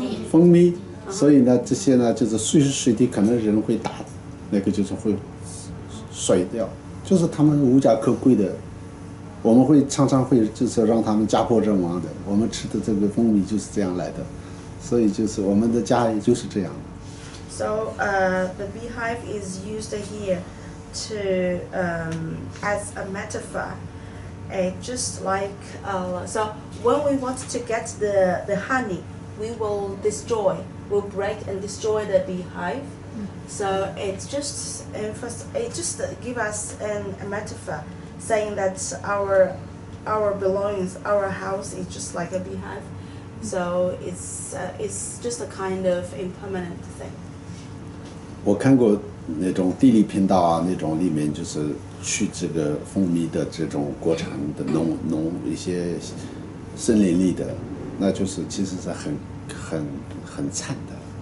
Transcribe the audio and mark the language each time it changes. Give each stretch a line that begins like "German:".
Chinese: 蜂蜜，所以呢，这些呢就是随时随地可能人会打，那个就是会甩掉，就是他们无家可归的。我们会常常会就是让他们家破人亡的，我们吃的这个蜂蜜就是这样来的，所以就是我们的家也就是这样。
English: So, the beehive is used here to, as a metaphor, just like, so when we want to get the honey, we will destroy, we'll break and destroy the beehive. So it just give us a metaphor saying that our belongings, our house is just like a beehive. So it's just a kind of impermanent thing.
Chinese: 我看过那种地理频道啊，那种里面就是去这个蜂蜜的这种国产的农一些森林里的，那就是其实是很惨的。